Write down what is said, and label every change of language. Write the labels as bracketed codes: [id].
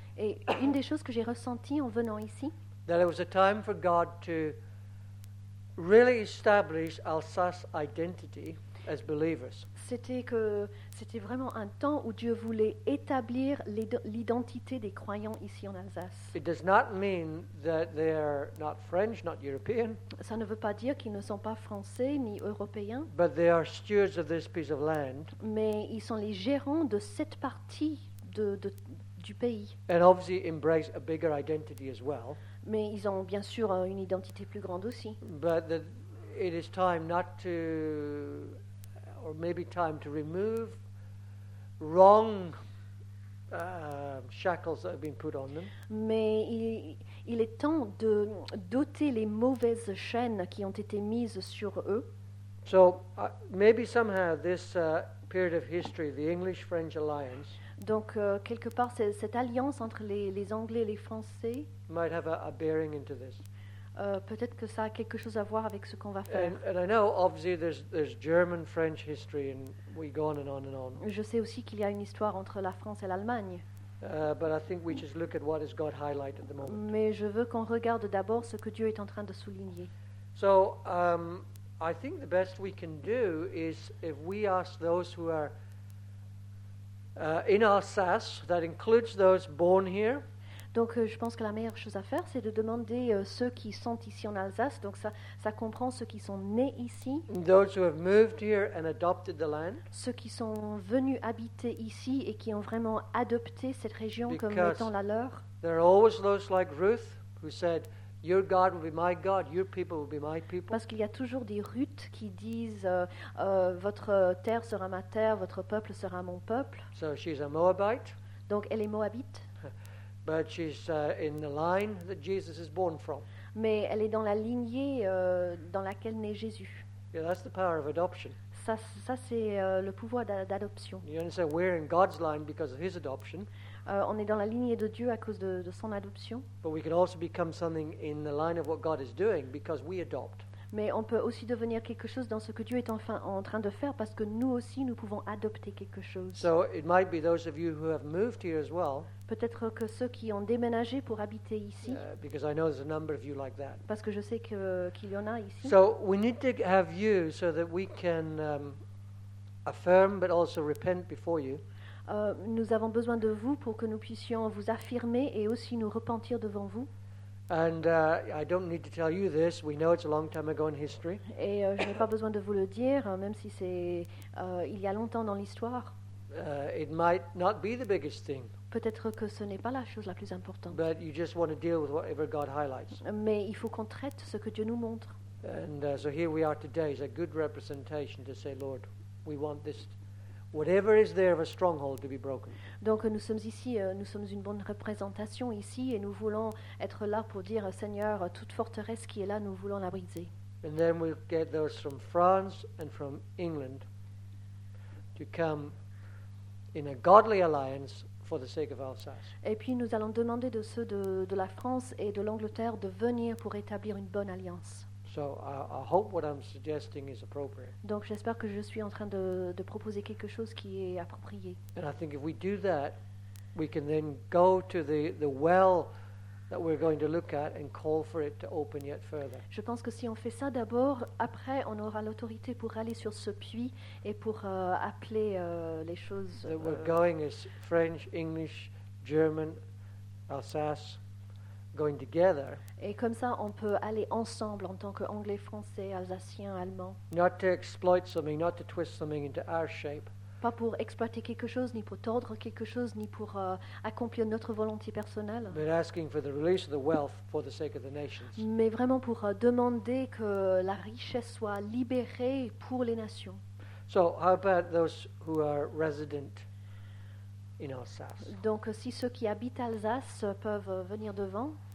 [fr] Et une des choses que j'ai ressenties en venant ici. [en] That it was a time for God to really establish Alsace identity as believers. [fr] C'était vraiment un temps où Dieu voulait établir l'identité des croyants ici en Alsace. [en] It does not mean that they are not French, not European. [fr] Ça ne veut pas dire qu'ils ne sont pas français ni européens. [en] But they are stewards of this piece of land. [fr] Mais ils sont les gérants de cette partie du pays. [en] And obviously embrace a bigger identity as well. [fr] Mais ils ont bien sûr une identité plus grande aussi. [en] But it is time not to, or maybe time to remove wrong shackles that have been put on them. [fr] Mais il est temps de d'ôter les mauvaises chaînes qui ont été mises sur eux. [en] So maybe somehow this period of history, the English-French alliance. [fr] Donc quelque part cette alliance entre les Anglais et les Français. [en] Might have a bearing into this. [fr] Peut-être que ça a quelque chose à voir avec ce qu'on va faire. [en] And I know obviously there's German French history and we go on and on and on. [fr] Je sais aussi qu'il y a une histoire entre la France et l'Allemagne. [en] But I think we just look at what has God highlighted at the moment. [fr] Mais je veux qu'on regarde d'abord ce que Dieu est en train de souligner. [en] So I think the best we can do is if we ask those who are in Alsace, that includes those born here. [fr] Donc, je pense que la meilleure chose à faire, c'est de demander ceux qui sont ici en Alsace. Donc, ça comprend ceux qui sont nés ici. [en] Those who have moved here and adopted the land. [fr] Ceux qui sont venus habiter ici et qui ont vraiment adopté cette région [en] Because [fr] comme étant la leur. [en] There are always those like Ruth who said, Your God will be my God, your people will be my people. [fr] Parce qu'il y a toujours des Ruth qui disent, votre terre sera ma terre, votre peuple sera mon peuple. [en] So she's a Moabite. [fr] Donc, elle est Moabite. [en] But she's in the line that Jesus is born from. [fr] Mais elle est dans la lignée dans laquelle naît Jésus. [en] Yeah, that's the power of adoption. [fr] Ça c'est le pouvoir d'adoption. [en] You understand, we're in God's line because of his adoption. [fr] On est dans la lignée de Dieu à cause de son adoption. [en] But we can also become something in the line of what God is doing because we adopt. [fr] Mais on peut aussi devenir quelque chose dans ce que Dieu est enfin en train de faire parce que nous aussi, nous pouvons adopter quelque chose. [en] So it might be those of you who have moved here as well. [fr] Peut-être que ceux qui ont déménagé pour habiter ici. [en] Because I know there's a number of you like that. [fr] Parce que je sais qu'il y en a ici. [en] So we need to have you so that we can affirm but also repent before you. [fr] Nous avons besoin de vous pour que nous puissions vous affirmer et aussi nous repentir devant vous. [en] And I don't need to tell you this. We know it's a long time ago in history. [fr] Et je n'ai pas besoin de vous le dire, même si c'est il y a longtemps dans l'histoire. [en] It might not be the biggest thing. [fr] Peut-être que ce n'est pas la chose la plus importante. [en] But you just want to deal with whatever God highlights. [fr] Mais il faut qu'on traite ce que Dieu nous montre. [en] And so here we are today. It's a good representation to say, Lord, we want this. Whatever is there of a stronghold to be broken. [fr] Donc nous sommes ici, nous sommes une bonne représentation ici et nous voulons être là pour dire Seigneur, toute forteresse qui est là, nous voulons la briser. [en] And then we'll get those from France and from England to come in a godly alliance for the sake of Alsace. [fr] Et puis nous allons demander de ceux de la France et de l'Angleterre de venir pour établir une bonne alliance. [en] So I hope what I'm suggesting is appropriate. [fr] Donc j'espère que je suis en train de proposer quelque chose qui est approprié. [en] And I think if we do that, we can then go to the well that we're going to look at and call for it to open yet further. [fr] Je pense que si on fait ça d'abord, après on aura l'autorité pour aller sur ce puits et pour appeler les choses. [en] That we're going as French, English, German, Alsace. Going together. [fr] Et comme ça, on peut aller ensemble en tant qu'Anglais, Français, Alsacien, Allemand. [en] Not to exploit something, not to twist something into our shape. [fr] Pas pour exploiter quelque chose, ni pour tordre quelque chose, ni pour accomplir notre volonté personnelle. [en] But asking for the release of the wealth for the sake of the nations. [fr] Mais vraiment pour demander que la richesse soit libérée pour les nations. [en] So, how about those who are resident? In Alsace. [fr] Donc, si ceux qui habitent Alsace peuvent venir devant.